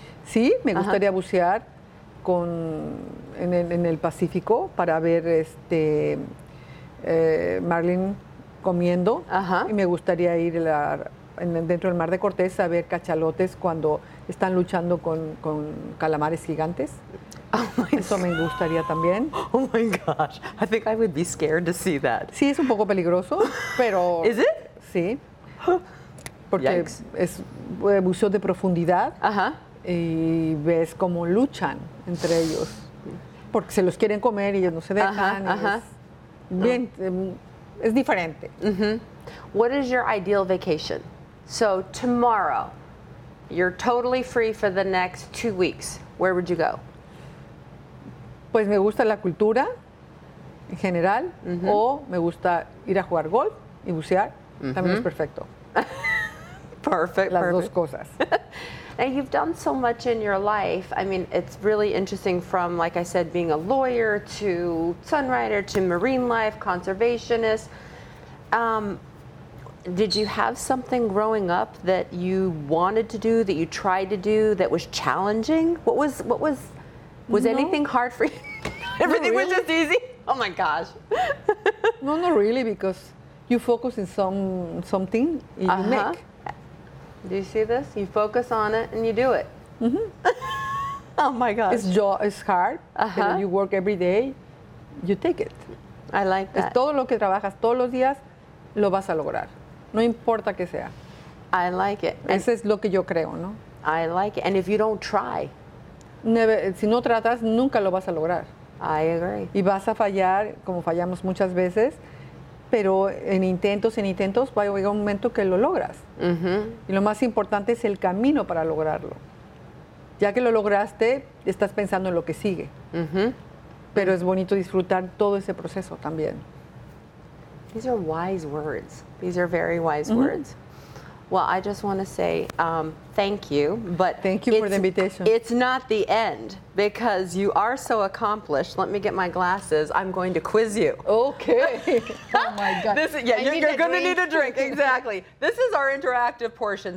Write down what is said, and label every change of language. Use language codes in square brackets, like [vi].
[es] Sí, me gustaría bucear con en el Pacífico para ver este marlin comiendo. Y me gustaría ir dentro del Mar de Cortés a ver cachalotes cuando están luchando con calamares gigantes. Oh, me gustaría también. [en] Oh my gosh, I think I would be scared to see that. [es] Sí, es un poco peligroso, pero... ¿Es? Sí. Porque [en] Yikes. [es] Es buceo de profundidad y ves cómo luchan entre ellos. Porque se los quieren comer y ellos no se dejan. Bien, es diferente. [en] What is your ideal vacation? So tomorrow, you're totally free for the next 2 weeks. Where would you go? [es] Pues me gusta la cultura en general. O me gusta ir a jugar golf y bucear. También es perfecto. [en] Perfect. [es] Las dos cosas. [en] Now, you've done so much in your life. I mean, it's really interesting from, like I said, being a lawyer to sunrider to marine life, conservationist. Did you have something growing up that you wanted to do, that you tried to do, that was challenging? Was anything hard for you? Everything really. Was just easy? Oh, my gosh. No, not really, because you focus in something and you make. Do you see this? You focus on it and you do it. Oh my gosh. It's hard. But you work every day, you take it. I like that. [es] Es todo lo que trabajas todos los días lo vas a lograr, no importa que sea. [en] I like it. [es] Ese es lo que yo creo, ¿no? [en] I like it. And if you don't try, [es] si no tratas, nunca lo vas a lograr. [en] I agree. [es] Y vas a fallar, como fallamos muchas veces, pero en intentos, va a llegar un momento que lo logras. Mm-hmm. Y lo más importante es el camino para lograrlo. Ya que lo lograste, estás pensando en lo que sigue. Mm-hmm. Pero es bonito disfrutar todo ese proceso también. [en] These are wise words. These are very wise mm-hmm. words. Well, I just want to say thank you, but thank you for the invitation. It's not the end because you are so accomplished. Let me get my glasses. I'm going to quiz you. Okay. Oh my God. You're going to need a drink. Exactly. This is our interactive portion.